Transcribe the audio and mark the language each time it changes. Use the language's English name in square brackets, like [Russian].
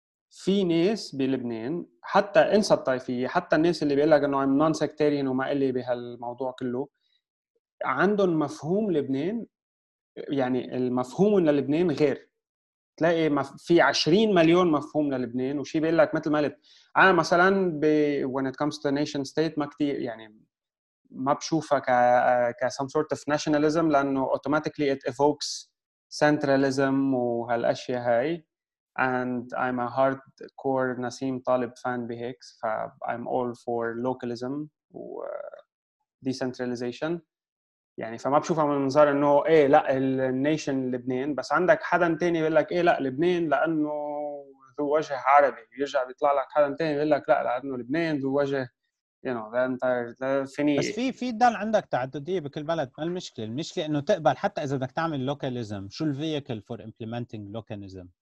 [Arabic] في ناس بلبنان حتى انسى الطائفيه، حتى الناس اللي بيقول لك انه عم نون سكتيريان وما قال لي بهالموضوع كله، عندهم مفهوم لبنان، يعني المفهوم للبنان غير، تلاقي في 20 مليون مفهوم للبنان. وشي بيقول لك مثل ما قلت انا مثلا [English] when it comes to nation state [Arabic] ما كتير، يعني ما بشوفها ك [English] some sort of nationalism، [Arabic] لأنه [English] automatically it evokes centralism [Arabic] وهالأشياء هاي، [English] and I'm a hardcore [Arabic] نسيم طالب fan بهيك، ف [English] I'm all for localism [Arabic] و decentralization. يعني فما بشوفها من منظار إنه إيه لا النيشن لبنان، بس عندك حدا تاني بيقول لك إيه لا لبنان لأنه ذو وجه عربي، يرجع بيطلع لك حدا تاني بيقول لك لا لأنه لبنان ذو وجه يعني بس في دال عندك تعدديه بكل بلد، ما المشكله، المشكله انه تقبل حتى اذا بدك تعمل لوكاليزم، شو الفييكل فور امبلمنتينج لوكاليزم.